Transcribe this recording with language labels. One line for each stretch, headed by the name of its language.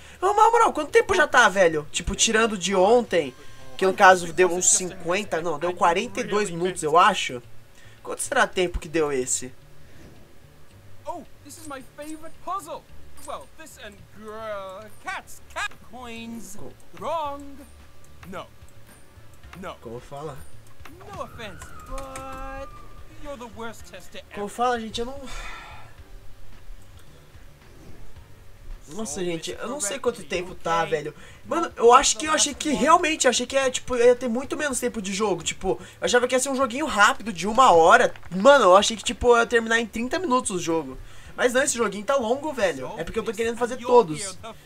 Portuguese: Na moral, quanto tempo já tá, velho? Tipo, tirando de ontem, que no caso deu uns 50, não, deu 42 minutos, eu acho. Quanto será tempo que deu esse?
English: Oh, this is my favorite puzzle. Well, this and cats, cat coins. Wrong. No. No.
Portuguese: Como fala?
English: No offense, but you're the worst tester ever.
Portuguese: Como fala, gente? Eu não. Nossa, gente, eu não sei quanto tempo tá, velho. Mano, eu acho que, eu achei que tipo, ia ter muito menos tempo de jogo. Tipo, eu achava que ia ser um joguinho rápido de uma hora. Mano, eu achei que, tipo, ia terminar em 30 minutos o jogo. Mas não, esse joguinho tá longo, velho. É porque eu tô querendo fazer todos.